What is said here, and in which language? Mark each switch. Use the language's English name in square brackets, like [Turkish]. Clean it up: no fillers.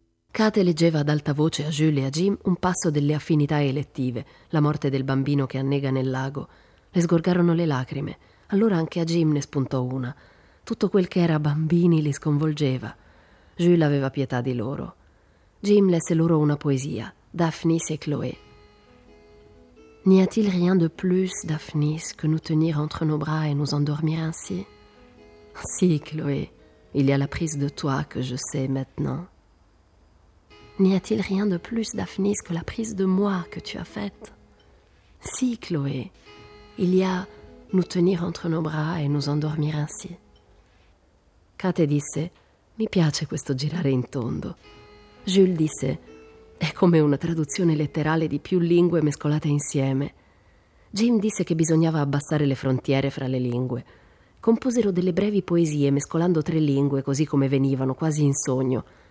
[Italian] Kate leggeva ad alta voce a Jules e a Jim un passo delle affinità elettive, la morte del bambino che annega nel lago. Le sgorgarono le lacrime. Allora anche a Jim ne spuntò una. Tutto quel che era bambini li sconvolgeva. Jules aveva pietà di loro. Jim lesse loro una poesia, Daphnis et Chloé. [French] N'y a-t-il rien de plus, Daphnis, que nous tenir entre nos bras et nous endormir ainsi? Si, Chloé, il y a la prise de toi que je sais maintenant. N'y a-t-il rien de plus, Daphnis, que la prise de moi que tu as faite? Si, Chloé, il y a nous tenir entre nos bras et nous endormir ainsi. [Italian] Kate disse, mi piace questo girare in tondo. Jules disse, è come una traduzione letterale di più lingue mescolate insieme. Jim disse che bisognava abbassare le frontiere fra le lingue. Composero delle brevi poesie mescolando tre lingue così come venivano, quasi in sogno.